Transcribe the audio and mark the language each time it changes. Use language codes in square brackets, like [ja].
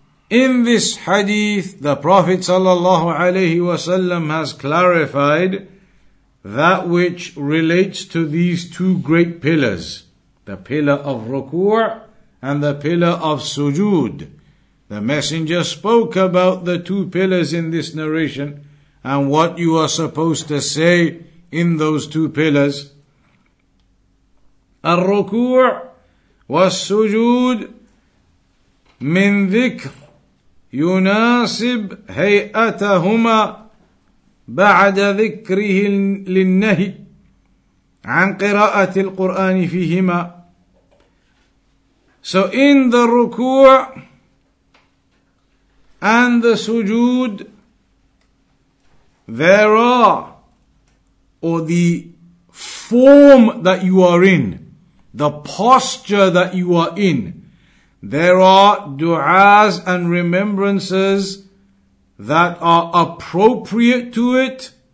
[en] In this hadith, the Prophet sallallahu alayhi wasallam has clarified that which relates to these two great pillars, the pillar of ruku' and the pillar of sujood. The Messenger spoke about the two pillars in this narration and what you are supposed to say in those two pillars. [ar] Al-ruku' was-sujood min dhikr يناسب هيئتهما بعد ذكره للنهي عن قراءة القرآن فيهما. [en] So in the ruku' and the sujood, there are, or the form that you are in, the posture that you are in, there are du'as and remembrances that are appropriate to it,